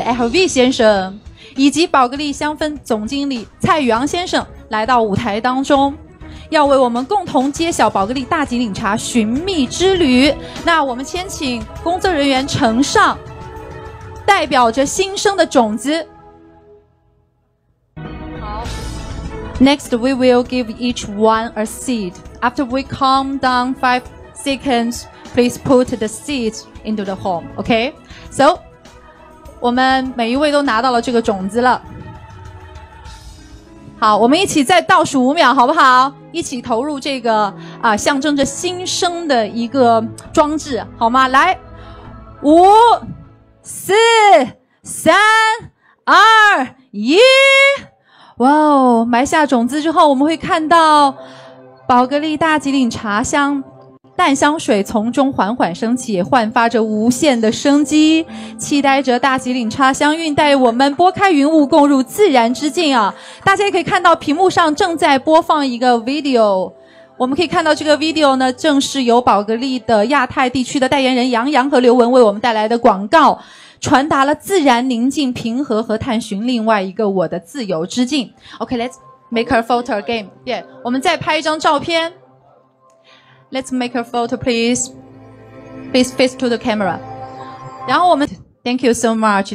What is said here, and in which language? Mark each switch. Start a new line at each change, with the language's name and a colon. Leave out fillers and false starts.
Chinese: LV 先生，以及宝格丽香氛总经理蔡宇昂先生来到舞台当中，要为我们共同揭晓宝格丽大吉岭茶寻觅之旅。那我们先请工作人员呈上代表着新生的种子。
English: 好， Next we will give each one a seed. After we calm down 5 seconds, please put the seeds into the home.
Chinese: OK, so 我们每一位都拿到了这个种子了。好，我们一起再倒数五秒好不好，一起投入这个象征着新生的一个装置好吗？来，五四三二一，哇哦，埋下种子之后，我们会看到宝格丽大吉岭茶香淡香水从中缓缓升起，也焕发着无限的生机，期待着大吉岭茶香韵带我们拨开云雾共入自然之境啊。大家也可以看到屏幕上正在播放一个 video， 我们可以看到这个 video 呢正是由宝格丽的亚太地区的代言人杨洋和刘文为我们带来的广告，传达了自然宁静平和和探寻另外一个我的自由之境。
English: OK, let's make a photo game.
Chinese: Yeah, 我们再拍一张照片。
English: Let's make a photo, please. Please face to the camera. 然后我们 Thank you so much.